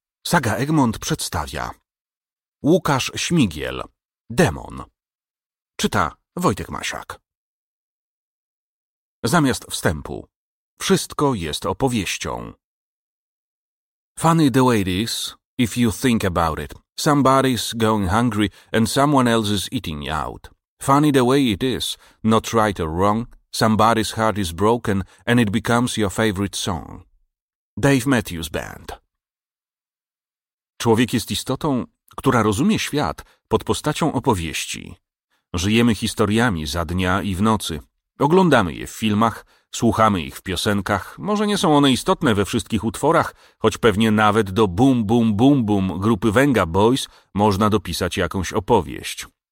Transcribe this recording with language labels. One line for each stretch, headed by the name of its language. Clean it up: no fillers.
Polish: Saga Egmont przedstawia Łukasz Śmigiel, Demon. Czyta Wojtek Masiak. Zamiast wstępu. Wszystko jest opowieścią.
English: Funny the way it is, if you think about it. Somebody's going hungry and someone else is eating out. Funny the way it is, not right or wrong. Somebody's heart is broken and it becomes your favorite song. Dave Matthews Band.
Polish: Człowiek jest istotą, która rozumie świat pod postacią opowieści. Żyjemy historiami za dnia i w nocy. Oglądamy je w filmach, słuchamy ich w piosenkach. Może nie są one istotne we wszystkich utworach, choć pewnie nawet do Boom Boom Boom Boom grupy Venga Boys można dopisać jakąś opowieść.